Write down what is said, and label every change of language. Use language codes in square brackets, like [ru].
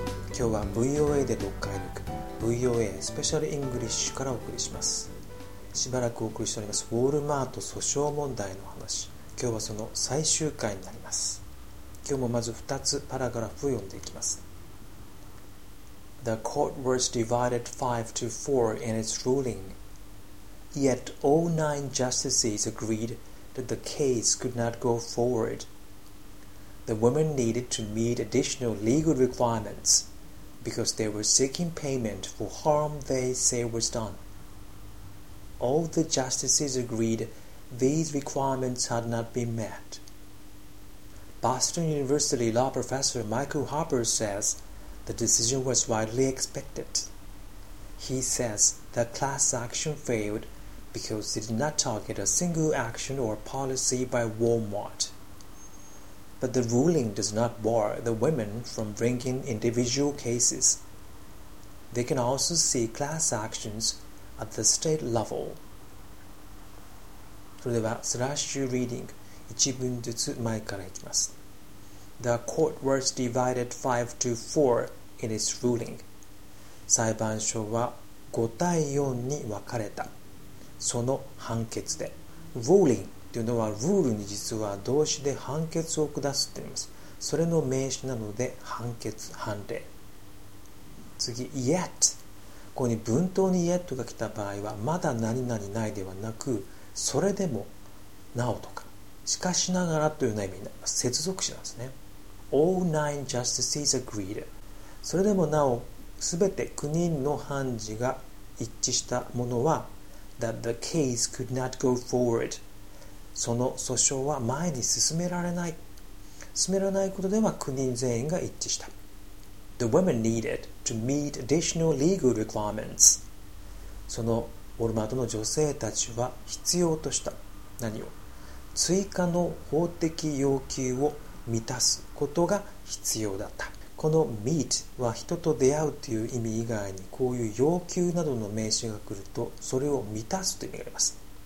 [ja] 今日は VOA で読解力 VOA スペシャルイングリッシュからお送りします。しばらくお送りしておりますウォルマート訴訟問題の話、今日はその最終回になります。今日もまず2つパラグラフを読んでいきます。 [en] The court was divided 5-4 in its ruling, yet all nine justices agreed that the case could not go forwardThe women needed to meet additional legal requirements because they were seeking payment for harm they say was done. All the justices agreed these requirements had not been met. Boston University law professor Michael Harper says the decision was widely expected. He says the class action failed because it did not target a single action or policy by Walmart. But the ruling does not bar the women from bringing individual cases. They can also seek class actions at the state level. [ja] それではスラッシュリーディング一文ずつ前からいきます。 [en] The court was divided 5-4 in its ruling. [ja] 裁判所は5対4に分かれた。その判決で。Rulingというのはルールに実は動詞で判決を下すって言います。それの名詞なので判決判例。次 yet、ここに文頭に yet が来た場合はまだ何々ないではなく、それでもなおとかしかしながらというような意味になります。接続詞なんですね。 [en] All nine justices agreed、 [ja] それでもなおすべて9人の判事が一致したものは [en] that the case could not go forward、 [ja] その訴訟は前に進められない。進められないことでは9人全員が一致した。 [en] The women needed to meet additional legal requirements. [ja] そのウォルマートの女性たちは必要とした。何を？追加の法的要求を満たすことが必要だった。この meet は人と出会うという意味以外にこういう要求などの名詞が来るとそれを満たすという意味があります。